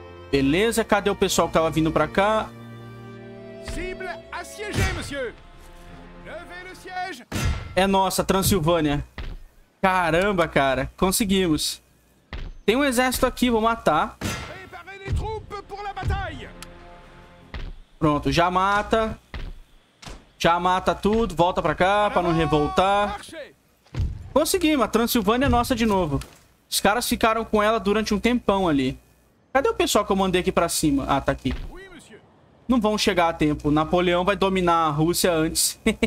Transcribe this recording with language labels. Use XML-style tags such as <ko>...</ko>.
<pt>Beleza, cadê o pessoal que tava vindo pra cá?</pt> <fr>Cible assiégée, monsieur. Levez le siège.</fr> <pt>É nossa, Transilvânia. Caramba, cara, conseguimos. Tem um exército aqui, vou matar.</pt> <fr>Préparez les troupes pour la bataille.</fr> <pt>Pronto, já mata. Já mata tudo, volta pra cá pra não revoltar. Conseguimos, a Transilvânia é nossa de novo. Os caras ficaram com ela durante um tempão ali. Cadê o pessoal que eu mandei aqui pra cima? Ah, tá aqui. Não vão chegar a tempo. Napoleão vai dominar a Rússia antes.</pt>